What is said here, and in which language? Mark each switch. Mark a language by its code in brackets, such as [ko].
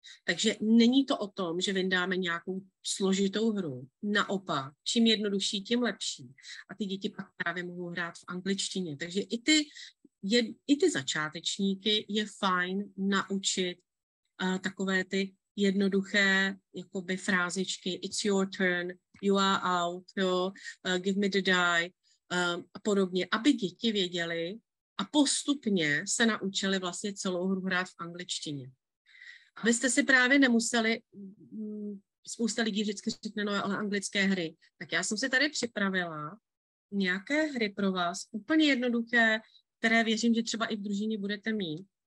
[cs] Takže není to o tom, že vyndáme nějakou složitou hru. Naopak, čím jednodušší, tím lepší. A ty děti pak právě mohou hrát v angličtině. Takže i ty začátečníky je fajn naučit takové ty jednoduché jakoby frázičky. [en] It's your turn, you are out, jo? Give me the die [cs] a podobně. Aby děti věděli a postupně se naučili vlastně celou hru hrát v angličtině. Abyste si právě nemuseli, spousta lidí vždycky řekne, no ale anglické hry, tak já jsem si tady připravila nějaké hry pro vás, úplně jednoduché, které věřím, že třeba i v družině budete mít.